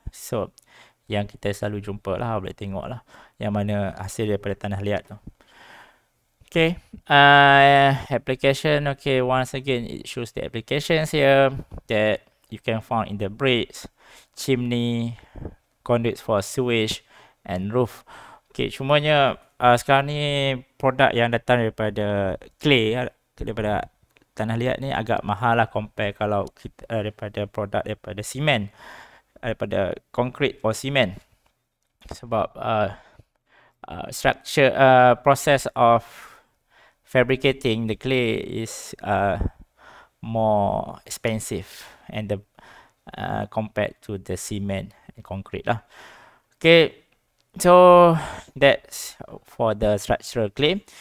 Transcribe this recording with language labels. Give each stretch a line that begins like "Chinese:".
Malay: So yang kita selalu jumpa lah, boleh tengok lah yang mana hasil daripada tanah liat tu.
English: Okay, application. Okay, once again, it shows the applications here that you can find in the bridge, chimney, conduits for sewage, and roof.
Malay: Okay, cumanya sekarang ni produk yang datang daripada clay, daripada tanah liat ni agak mahal lah compare kalau kita, daripada produk daripada simen, daripada concrete or simen. Sebab
English: structure, process of fabricating the clay is more expensive and the compared to the cement and concrete lah. Okay, so that's for the structural clay.